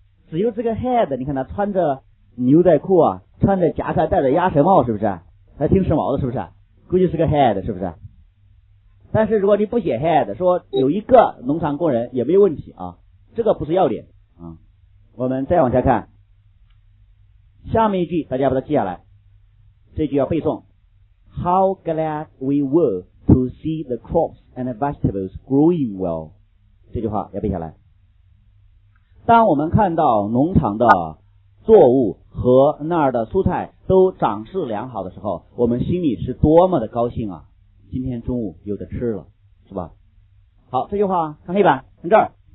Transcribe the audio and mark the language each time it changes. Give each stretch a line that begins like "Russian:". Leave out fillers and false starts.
Chinese: 只有这个 head， 你看他穿着牛仔裤啊，穿着夹克，戴着鸭舌帽，是不是还挺时髦的？是不是估计是个 head， 是不是？但是如果你不写 head， 说有一个农场工人也没有问题啊，这个不是要点啊。我们再往下看下面一句，大家把它记下来，这句要背诵。
English: How glad we were to see the crops and vegetables growing well，
Chinese: 这句话要背下来。当我们看到农场的作物和那儿的蔬菜都长势良好的时候，我们心里是多么的高兴啊！今天中午有的吃了，是吧？好，这句话看黑板，看这儿。